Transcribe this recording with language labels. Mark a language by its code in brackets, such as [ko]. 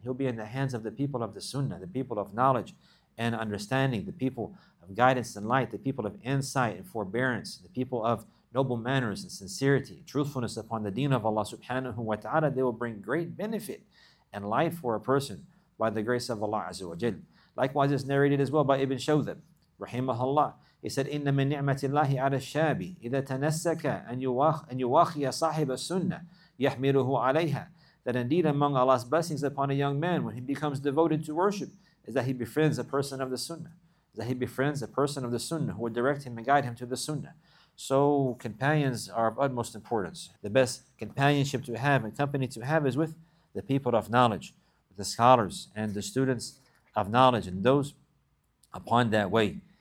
[en] He'll be in the hands of the people of the Sunnah, the people of knowledge and understanding, the people of guidance and light, the people of insight and forbearance, the people of noble manners and sincerity, truthfulness upon the deen of Allah subhanahu wa ta'ala. They will bring great benefit and light for a person by the grace of Allah azza wa jal. Likewise, it's narrated as well by Ibn Shawthib, rahimahullah. He said, [ar] إِنَّ مِنْ نِعْمَةِ اللَّهِ عَلَى الشَّابِ إِذَا تَنَسَّكَ أَنْ يُوَاخِيَ صَاحِبَ السُنَّةِ يَحْمِلُهُ عَلَيْهَا. [en] That indeed among Allah's blessings upon a young man when he becomes devoted to worship is that he befriends a person of the Sunnah. That he befriends a person of the Sunnah who will direct him and guide him to the Sunnah. So companions are of utmost importance. The best companionship to have and company to have is with the people of knowledge, the scholars and the students of knowledge, and those upon that way.